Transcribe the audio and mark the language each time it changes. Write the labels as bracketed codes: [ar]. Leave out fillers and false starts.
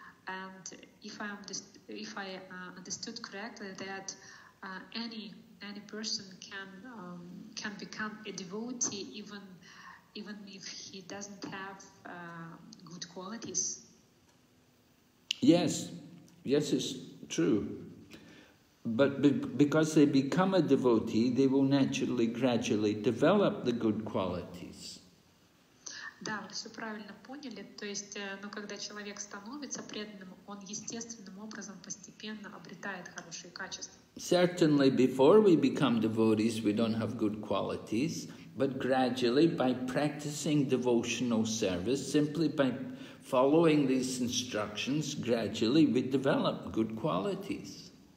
[en] And if I understood correctly, that any person can become a devotee even if he doesn't have good qualities. Yes, it's true. But because they become a devotee, they will naturally, gradually develop the good qualities. [ru] Да, вы все правильно поняли. То есть, ну, когда человек становится преданным, он естественным образом постепенно обретает хорошие качества. [en] Certainly, before we become devotees, we don't have good qualities. But gradually, by practicing devotional service, simply by following these instructions, gradually we develop good qualities.